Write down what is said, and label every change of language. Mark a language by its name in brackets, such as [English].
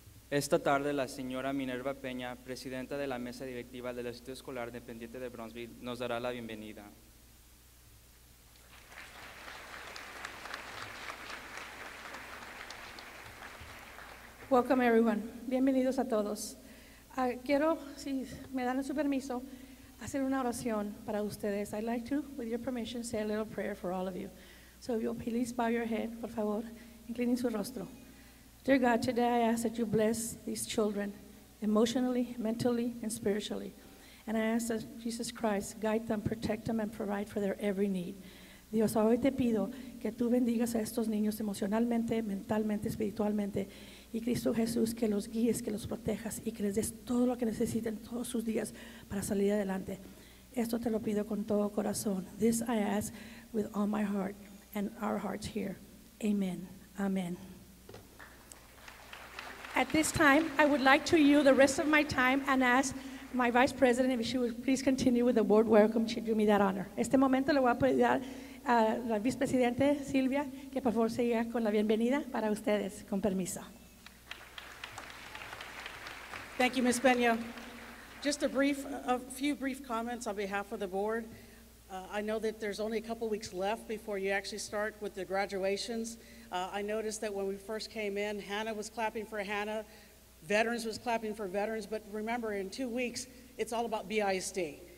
[Spanish] Esta tarde, la señora Minerva Peña, presidenta de la mesa directiva del Distrito Escolar Dependiente de Brownsville, nos dará la bienvenida. [English] Welcome, everyone. [Spanish] Bienvenidos a todos. Quiero, si me dan su permiso, hacer una oración para ustedes. [English] I'd like to, with your permission, say a little prayer for all of you. So if you'll please bow your head, [Spanish] por favor, [English] inclining [Spanish] su rostro. [English] Dear God, today I ask that you bless these children emotionally, mentally, and spiritually. And I ask that Jesus Christ guide them, protect them, and provide for their every need. [Spanish] Dios, hoy te pido que tú bendigas a estos niños emocionalmente, mentalmente, espiritualmente. Y Cristo Jesús, que los guíes, que los protejas y que les des todo lo que necesiten todos sus días para salir adelante. Esto te lo pido con todo corazón. [English] This I ask with all my heart and our hearts here. Amen. Amen. At this time, I would like to yield the rest of my time and ask my Vice President if she would please continue with the board welcome. She'd do me that honor. [Spanish] Este momento le voy a pedir a la Vicepresidente Silvia que por favor siga con la bienvenida para ustedes, con permiso. [English] Thank you, Ms. Peña. Just a few brief comments on behalf of the board. I know that there's only a couple weeks left before you actually start with the graduations. I noticed that when we first came in, Hanna was clapping for Hanna, veterans was clapping for veterans, but remember, in 2 weeks, it's all about BISD.